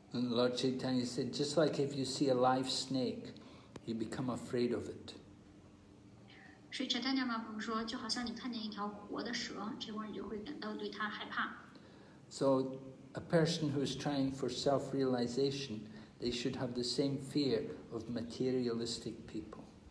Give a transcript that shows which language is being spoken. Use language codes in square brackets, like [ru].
[en] Lord Chaitanya said, just like if you see a live snake, you become afraid of it. [zh] 所以陈丹娘妈妈说，就好像你看见一条活的蛇，这会儿你就会感到对它害怕。 [en] So a person who is trying for self-realization, they should have the same fear of materialistic people.